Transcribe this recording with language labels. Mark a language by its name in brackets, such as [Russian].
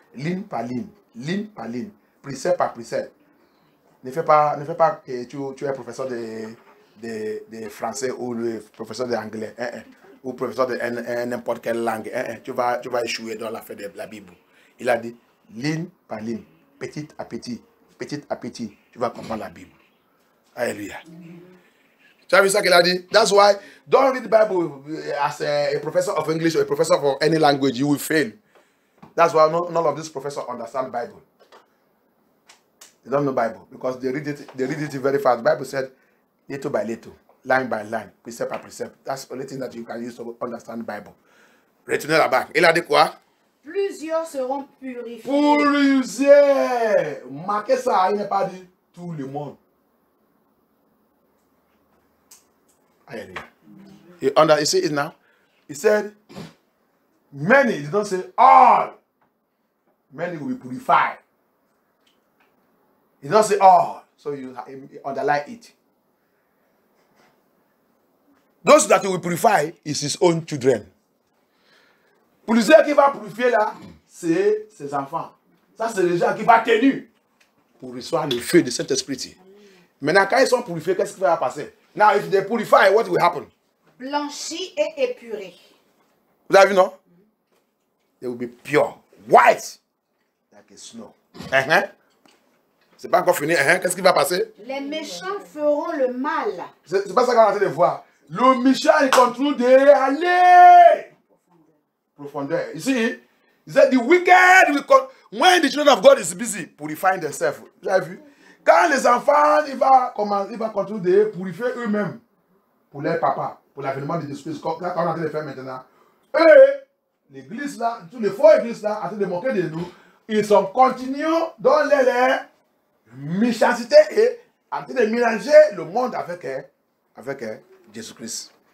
[French] Ligne par ligne, précepte par précepte. Ne fais pas que tu es professeur de français ou le professeur d'anglais ou professeur de n'importe quelle langue, tu vas échouer dans l'affaire de la Bible. Il a dit ligne par ligne, petit à petit, tu vas comprendre la Bible. Alléluia. Tu as vu ça qu'elle a dit? [English] That's why, don't read the Bible as a professor of English or a professor for any language, you will fail. That's why none of these professors understand the Bible. They don't know the Bible because they read it very fast. The Bible said, little by little, line by line, precept by precept. That's the only thing that you can use to understand the Bible. [French] Retournez là-bas. Il a dit quoi? Plusieurs seront purifiés. Purifiés. Marquez ça, il n'est pas dit tout le monde. [English] Alléluia. You see it now? He said, many, he didn't say all. Many will be purified. He didn't say all. So you underline it. Those that will purify is his own children. [French] Plusieurs qui va purifier là, c'est ses enfants. Ça, c'est les gens qui va tenir pour recevoir le feu de Saint-Esprit. Maintenant, quand ils sont purifiés, qu'est-ce qui va passer? [English] Now, if they purify, what will happen? [French] Blanchi et épuré. Vous avez vu, non? [English] They will be pure, white, like a snow. [French] C'est pas encore fini, qu'est-ce qui va passer? Les méchants feront le mal. C'est pas ça qu'on a envie de voir. Le méchant, il continue d'aller. Profondeur. [English] You see, he said the wicked, when the children of God is busy purifying themselves, [French] vous avez vu? Quand les enfants, ils vont continuer de purifier eux-mêmes pour leur papa, pour l'avènement de Jésus-Christ, qu'on est en train de faire maintenant, eux, l'église là, toutes les faux églises là, en train de manquer de nous, ils sont continuants dans leur méchanceté et en train de mélanger le monde avec Jésus-Christ.